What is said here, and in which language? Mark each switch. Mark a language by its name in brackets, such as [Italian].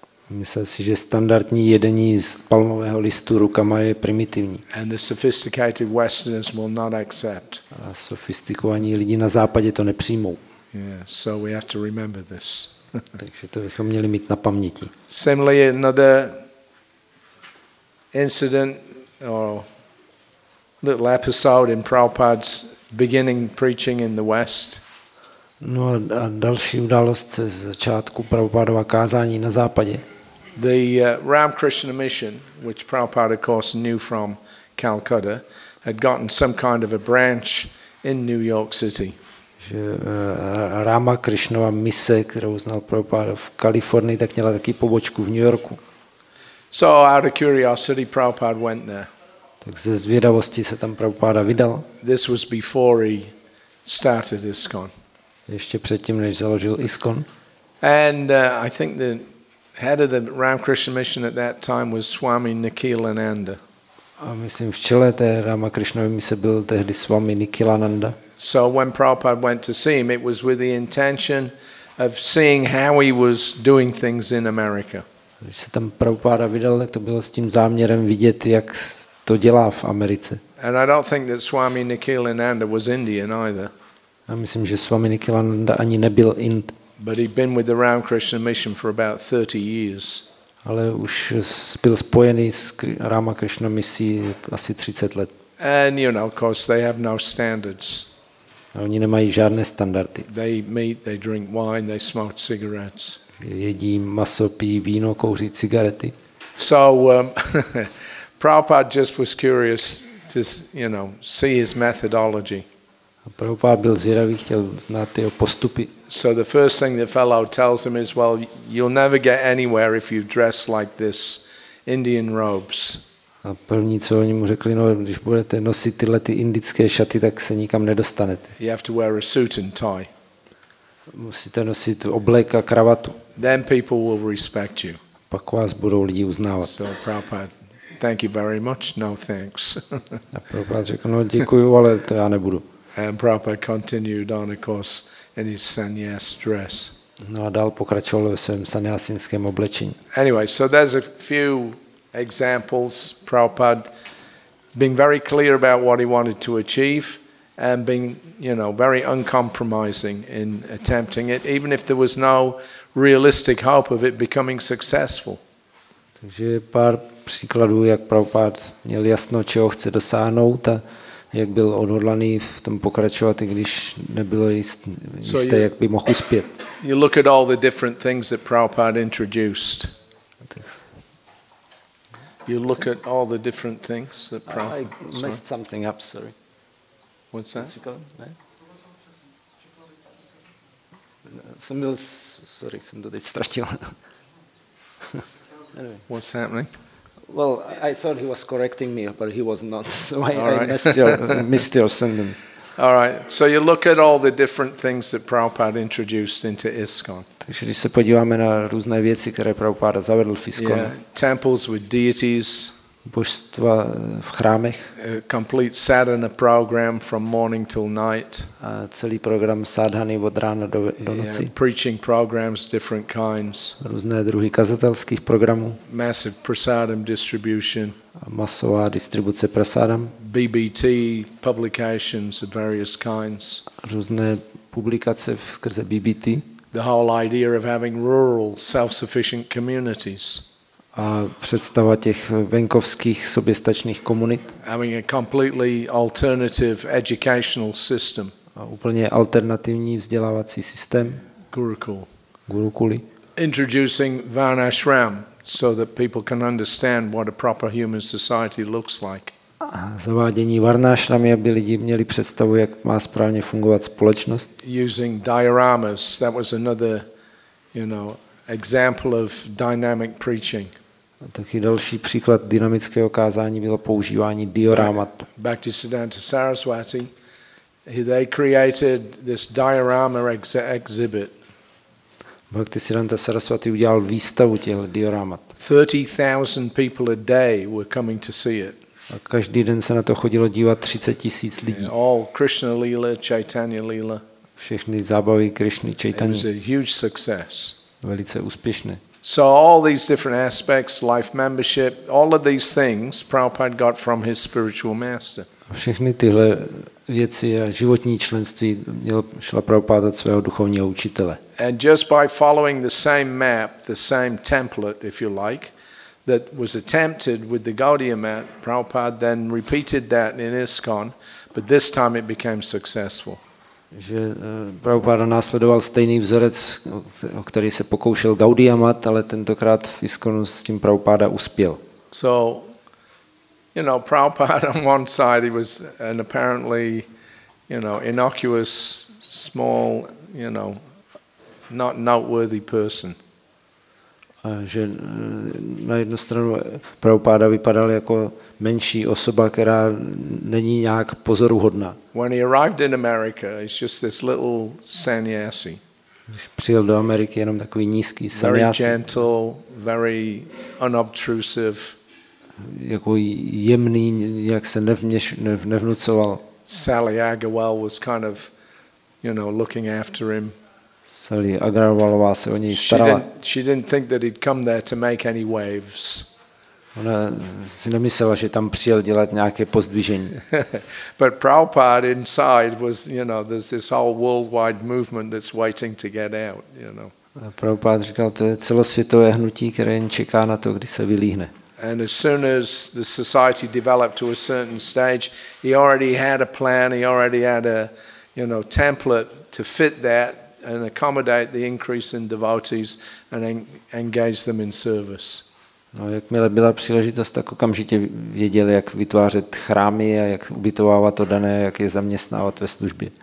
[Czech] Myslel si, že standardní jedení z palmového listu rukama je primitivní. [English] And the sophisticated Westerners will not accept. [Czech] A sofistikovaní lidi na západě to nepřijmou. [English] Yeah, so we have to remember this. [Czech] Takže to bychom měli mít na paměti. [English] Similarly, another incident or little episode in Prabhupada's beginning preaching in the West. [Czech] No a další událost ze začátku Prabhupádova kázání na západě. [English] The Ramakrishna Mission, which Prabhupada of course knew from Calcutta, had gotten some kind of a branch in New York City. [Czech] Že Ramakrishnova mise, kterou znal Prabhupada v Kalifornii, tak měla taky pobočku v New Yorku. [English] So out of curiosity, Prabhupada went there. [Czech] Tak ze zvědavosti se tam Prabhupada vydal. [English] This was before he started ISKCON. [Czech] Ještě předtím, než založil ISKCON. [English] And I think the head of the Ramakrishna Mission at that time was Swami Nikhilananda. [Czech] A myslím, v čele té Ramakrishnovy mise byl tehdy Swami Nikhilananda. [English] So when Prabhupada went to see him, it was with the intention of seeing how he was doing things in America. [Czech] Když se tam Prabhupada vydal, tak to bylo s tím záměrem vidět, jak to dělá v Americe. [English] And I don't think that Swami Nikhilananda was Indian either. [Czech] A myslím, že Swami Nikhilananda ani nebyl Ind. [English] But he'd been with the Ramakrishna Mission for about 30 years. [Czech] Ale už byl spojený s Ramakrishna misí asi 30 let. [English] And you know, of course, they have no standards. [Czech] A oni nemají žádné standardy. [English] They meet, they drink wine, they smoke cigarettes. [Czech] Jedí maso, pijí víno, kouří cigarety. [English] So Prabhupada just was curious to, you know, see his methodology. [Czech] A Prabhupada byl zvědavý, chtěl znát jeho postupy. [English] So the first thing the fellow tells him is, well, you'll never get anywhere if you dress like this, Indian robes. [Czech] A první, co oni mu řekli, no, když budete nosit tyhle ty indické šaty, tak se nikam nedostanete. [English] You have to wear a suit and tie. [Czech] Musíte nosit oblek a kravatu. [English] Then people will respect you. [Czech] Pak vás budou lidi uznávat. [English] So Prabhupada, thank you very much, no thanks. [Czech] A Prabhupada řekl, no, děkuju, ale to já nebudu. [English] And Prabhupada continued on, of course, in his sannyas dress. [Czech] No a dál pokračoval ve svém sannyasinském oblečení. [English] Anyway, so there's a few examples, Prabhupada being very clear about what he wanted to achieve and being, you know, very uncompromising in attempting it, even if there was no realistic hope of it becoming successful. [Czech] Takže pár příkladů, jak Prabhupada měl jasno, čeho chce dosáhnout a jak byl odhodlaný v tom pokračovat, i když nebylo jisté, jak by mohl uspět. [English] You look at all the different things that Prabhupada introduced. You look at all the different things that Prabhupada... I messed something up, sorry. What's that? [Czech] Jsem byl... Sorry, jsem to teď ztratil. [English] Anyway. What's happening? Well, I thought he was correcting me, but he was not. So I missed your sentence. All right. So you look at all the different things that Prabhupada introduced into ISKCON. [Czech] Takže když se podíváme na různé věci, které Prabhupada zavedl v ISKCON. [English] Yeah, temples with deities. [Czech] Božstva v chrámech. [English] A complete sadhana program from morning till night. [Czech] A celý program sadhany od rána do noci. [English] Yeah, preaching programs different kinds. [Czech] Různé druhy kazatelských programů. [English] Massive prasadam distribution. [Czech] A masová distribuce prasadam. [English] BBT publications of various kinds. [Czech] Různé publikace skrze BBT. [English] The whole idea of having rural self-sufficient communities. [Czech] A představa těch venkovských soběstačných komunit. [English] Having a completely alternative educational system. [Czech] A úplně alternativní vzdělávací systém. [English] Gurukul. [Czech] Gurukuli. [English] Introducing varnashram so that people can understand what a proper human society looks like. [Czech] A zavádění varnashramy, aby lidi měli představu, jak má správně fungovat společnost. [English] Using dioramas, that was another, you know, example of dynamic preaching. [Czech] Taky další příklad dynamického kázání bylo používání dioramat. [English] Bhaktisiddhanta Saraswati, they created this diorama exhibit. [Czech] Bhaktisiddhanta Saraswati udělal výstavu těch dioramat. [English] 30,000 people a day were coming to see it. [Czech] A každý den se na to chodilo dívat 30,000 lidí. [English] All Krishna Lila, Chaitanya Lila. [Czech] Všechny zábavy Krishny, Chaitanya. [English] It was a huge success. [Czech] Velice úspěšné. [English] So all these different aspects, life membership, all of these things Prabhupada got from his spiritual master. [Czech] Všechny tyhle věci a životní členství šla Prabhupada od svého duchovního učitele. [English] And just by following the same map, the same template, if you like, that was attempted with the Gaudiya map, Prabhupada then repeated that in ISKCON, but this time it became successful. [Czech] Že Prabhupada následoval stejný vzorec, o který se pokoušel Gaudiya mat, ale tentokrát v ISKCONu s tím Prabhupada uspěl. [English] So, you know, Prabhupada on one side, he was an apparently, you know, innocuous, small, you know, not noteworthy person. [Czech] A že na jednu stranu Prabhupada vypadal jako menší osoba, která není nějak pozoruhodná. [English] When he arrived in America, it's just this little sannyasi. [Czech] Když přijel do Ameriky, jenom takový nízký sannyasi. [English] Very gentle, very unobtrusive. [Czech] Jako jemný, jak se nevnucoval. [English] Sally Agarwal was kind of, you know, looking after him. [Czech] Sally Agarwalová se o něj starala. [English] She didn't think that he'd come there to make any waves. [Czech] Ona si nemyslela, že tam přijel dělat nějaké pozdvižení. [English] But Prabhupada inside was, you know, there's this whole worldwide movement that's waiting to get out, you know. [Czech] Prabhupada říkal, to je celosvětové hnutí, které jen čeká na to, kdy se vylíhne. [English] And as soon as the society developed to a certain stage, he already had a plan, he already had a, you know, template to fit that and accommodate the increase in devotees and engage them in service. [Czech] No, jakmile byla příležitost, tak okamžitě věděl, jak vytvářet chrámy a jak ubytovávat to dané, jak je zaměstnávat ve službě.